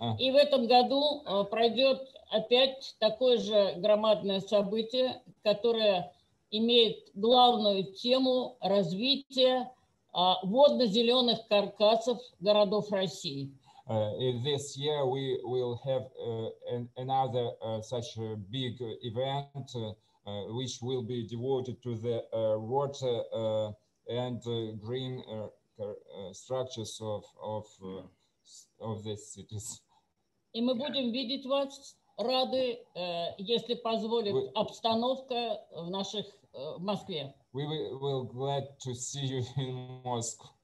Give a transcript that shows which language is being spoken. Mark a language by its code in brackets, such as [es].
[ru] И в этом году пройдет опять такое же громадное событие, которое имеет главную тему развития водно-зеленых каркасов городов России. [en] This year we will have another such a big event, which will be devoted to the water and green structures of the cities. [ru] И мы будем видеть вас рады, если позволит обстановка в наших в Москве. [en] We will glad to see you in Moscow.